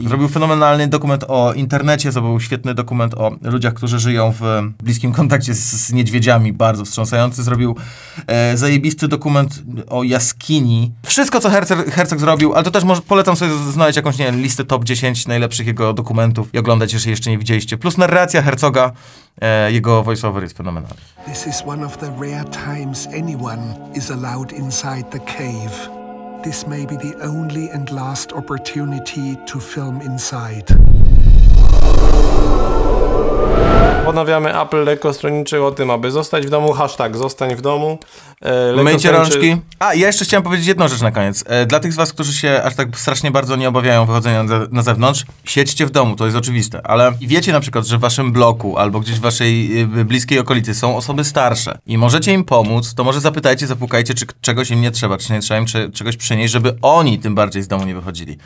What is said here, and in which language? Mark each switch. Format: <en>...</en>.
<pl>I zrobił fenomenalny dokument o internecie, to był świetny dokument o ludziach, którzy żyją w bliskim kontakcie z niedźwiedziami, bardzo wstrząsający. Zrobił zajebisty dokument o jaskini. Wszystko, co Herzog zrobił, ale to też polecam sobie znaleźć jakąś, nie wiem, listę top 10 najlepszych jego dokumentów i oglądać, jeżeli jeszcze nie widzieliście. Plus narracja Herzoga, jego voiceover jest fenomenalny.</pl> <en>This is one of the rare times anyone is allowed inside the cave. This may be the only and last opportunity to film inside.</en> <pl>Ponawiamy apel lekkostroniczy o tym, aby zostać w domu. Hashtag zostań w domu. Myjcie rączki. A, ja jeszcze chciałem powiedzieć jedną rzecz na koniec. Dla tych z was, którzy się aż tak strasznie bardzo nie obawiają wychodzenia na zewnątrz, siedźcie w domu, to jest oczywiste. Ale wiecie na przykład, że w waszym bloku albo gdzieś w waszej bliskiej okolicy są osoby starsze i możecie im pomóc, to może zapytajcie, zapukajcie, czy czegoś im nie trzeba, czy nie trzeba im czegoś przynieść, żeby oni tym bardziej z domu nie wychodzili.</pl>